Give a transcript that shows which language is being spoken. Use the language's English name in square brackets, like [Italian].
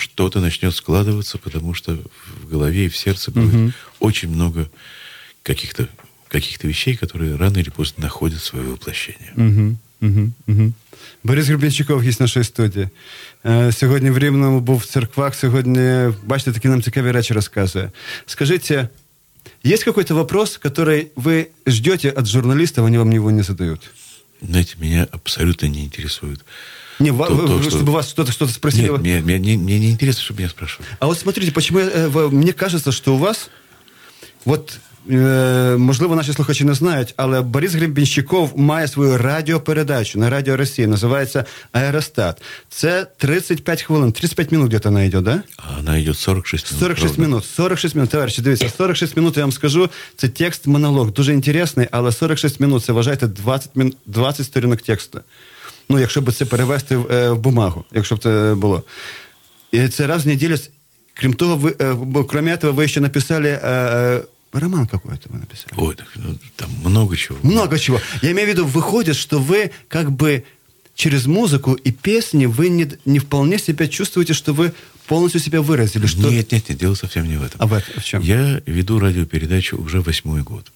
[Russian] Что-то начнет складываться, потому что в голове и в сердце будет очень много каких-то вещей, которые рано или поздно находят свое воплощение. Борис Гребенщиков есть в нашей студии. [Ukrainian] Сьогодні в Рівному був в церквах, сьогодні, бачите, такі нам цікаві речі розказує. Скажіть, є якийсь вопрос, який ви ждете від журналістів, вони вам його не задають? Знаєте, мене абсолютно не цікавить. [Russian] Не, чтобы вас кто-то спросили? Нет, мне не интересно, чтобы меня спрашивали. А вот смотрите, почему мне кажется, что у вас вот [Ukrainian] Можливо, наші слухачі не знають, але Борис Гребенщиков має свою радіопередачу на Радіо Росії. Називається «Аеростат». Це 35 хвилин, 35 [Russian] минут где-то [Ukrainian] вона йде, да? А вона йде 46 [Russian] минут. 46 минут, 46 минут. [Ukrainian] Товариші, дивіться, 46 минут, я вам скажу, це текст-монолог. Дуже інтересний, але 46 минут, це вважайте 20 сторінок тексту. Ну, якщо б це перевести в бумагу, якщо б це було. І це раз в неділю. Крім того, крім того, ви ще написали... [Russian] Роман какой-то вы написали. Ой, так, ну, там много чего. Много чего. Я имею в виду, выходит, что вы как бы через музыку и песни вы не вполне себя чувствуете, что вы полностью себя выразили. Что... Нет, нет, нет, дело совсем не в этом. А в этом в чем? Я веду радиопередачу уже 8-й год.